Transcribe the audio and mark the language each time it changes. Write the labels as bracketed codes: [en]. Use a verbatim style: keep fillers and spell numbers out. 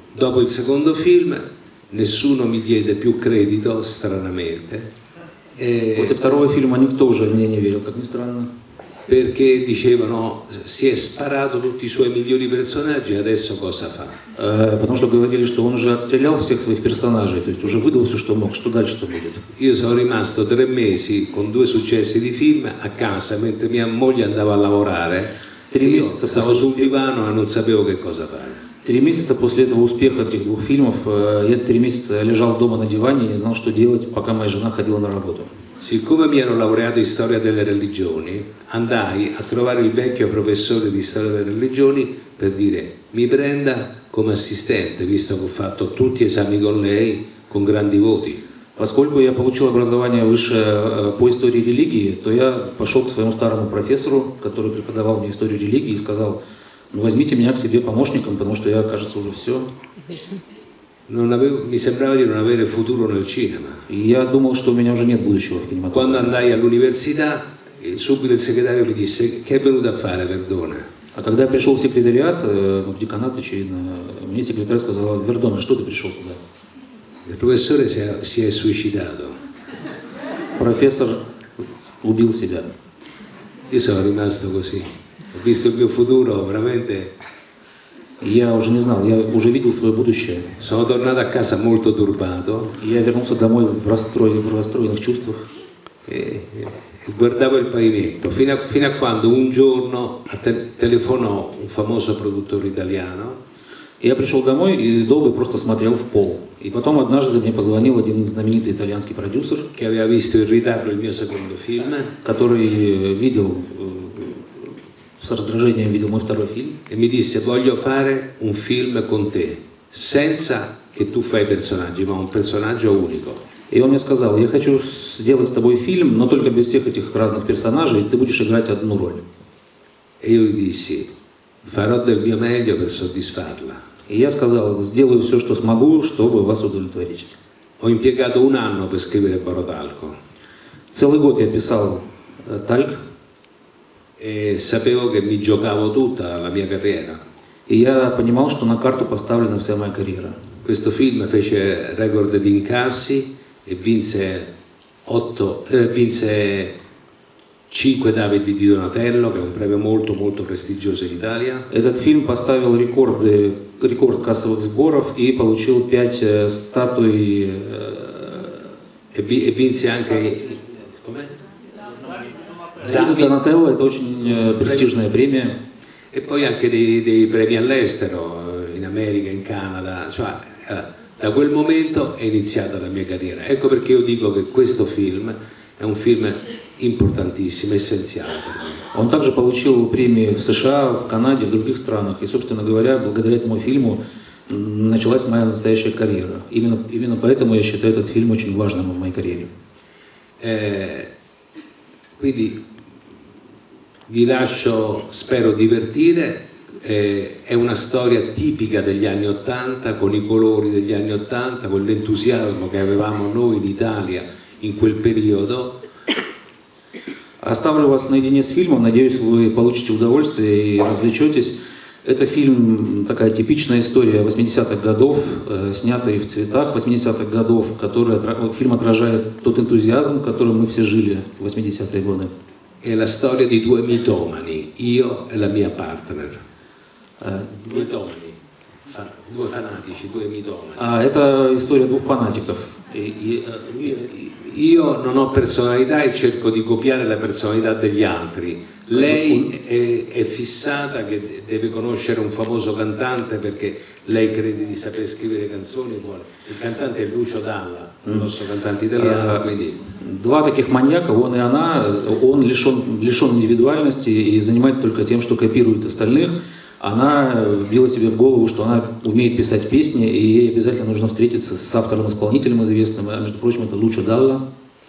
[it] Dopo il secondo film nessuno mi diede più credito, stranamente. [ru] После второго фильма никто уже мне не верил, как ни странно. [it] Perché dicevano si è sparato tutti i suoi migliori personaggi, adesso cosa fa? [ru] Eh, потому что говорили, что он уже отстрелял всех своих персонажей, то есть уже выдал все, что мог, что дальше-то будет. [it] Io sono rimasto tre mesi con due successi di film a casa mentre mia moglie andava a lavorare. Tre mesi stavo sul divano e non sapevo che cosa fare. [ru] Три месяца после этого успеха этих двух фильмов я три месяца лежал дома на диване и не знал, что делать, пока моя жена ходила на работу. [it] Siccome mi ero laureato in storia delle religioni, andai a trovare il vecchio professore di storia delle religioni per dire mi prenda come assistente, visto che ho fatto tutti gli esami con lei con grandi voti. [ru] Поскольку я получил образование высшее по истории религии, то я пошел к своему старому профессору, который преподавал мне историю религии, и сказал: возьмите меня к себе помощником, потому что я, кажется, уже все. [it] Non avevo, mi sembrava di non avere futuro nel cinema. [ru] Я думал, что у меня уже нет будущего в кинематографе. [it] Quando andai all'università, subito il segretario mi disse: che è venuto a fare, Verdone? [ru] А когда я пришел в секретариат, в деканат, очевидно, мне секретарь сказал: Вердон, что ты пришел сюда? [it] Il professore si è suicidato. [ru] Профессор убил себя. [it] Io sono rimasto così. Ho visto il mio futuro, veramente. [ru] Я уже не знал, я уже видел свое будущее. [it] Sono tornato a casa molto turbato. [ru] Я вернулся домой в расстроенных, в расстроенных чувствах. [it] E, e guardavo il pavimento, fino a, fino a quando un giorno te, telefonò un famoso produttore italiano. [ru] Я пришел домой и долго просто смотрел в пол. И потом однажды мне позвонил один знаменитый итальянский продюсер, [it] che aveva visto in ritardo il mio secondo film, [ru] который видел с раздражением видел мой второй фильм. [it] E mi disse: voglio fare un film con te, senza che tu fai personaggi, ma un personaggio unico. [ru] И он мне сказал: я хочу сделать с тобой фильм, но только без всех этих разных персонажей, ты будешь играть одну роль. [it] E io gli dissi: farò del mio meglio per soddisfarla. [ru] И я сказал: сделаю все, что смогу, чтобы вас удовлетворить. [it] Ho impiegato un anno per scrivere Borotalco. [ru] Целый год я писал «Тальк». [it] E sapevo che mi giocavo tutta la mia carriera. E io [ru] понимал, что на карту поставлена вся моя карьера. [it] Questo film fece record di incassi e vinse otto eh, vinse cinque David di Donatello, che è un premio molto molto prestigioso in Italia. [ru] Этот фильм поставил рекорды, рекорд кассовых сборов и получил пять статуи [it] e vinse anche [ru] David Donatello, это очень престижная премия. [it] E poi anche dei, dei premi all'estero, in America, in Canada. Cioè, da quel momento è iniziata la mia carriera. Ecco perché io dico che questo film è un film importantissimo, essenziale. [ru] Он также получил премии в США, в Канаде, в других странах. И, собственно говоря, благодаря этому фильму началась моя настоящая карьера. Именно, именно поэтому я считаю этот фильм очень важным в моей карьере. [it] Eh, quindi vi lascio, spero, divertire, eh, è una storia tipica degli anni Ottanta, con i colori degli anni Ottanta, con l'entusiasmo che avevamo noi in Italia in quel periodo. [ru] Оставлю вас наедине с фильмом, надеюсь, вы получите удовольствие и развлечетесь. Это фильм, такая типичная история восьмидесятых годов, э, снятая в цветах восьмидесятых годов, который, фильм отражает тот энтузиазм, которым мы все жили в восьмидесятые годы. [it] È la storia di due mitomani, io e la mia partner. Uh, due mitomani, ah, due fanatici, due mitomani. [ru] Ah, это история двух фанатиков. [it] E, e, io non ho personalità e cerco di copiare la personalità degli altri. Lei è, è fissata che deve conoscere un famoso cantante perché lei crede di saper scrivere canzoni. Vuole. Il cantante è Lucio Dalla, il nostro cantante italiano. Quindi. [ru] Два таких маньяка, он и она, он лишен, лишен индивидуальности и занимается только тем, что копирует остальных. она вбила себе в голову, что она умеет писать песни, и ей обязательно нужно встретиться с автором-исполнителем известным, а между прочим это Lucio Dalla.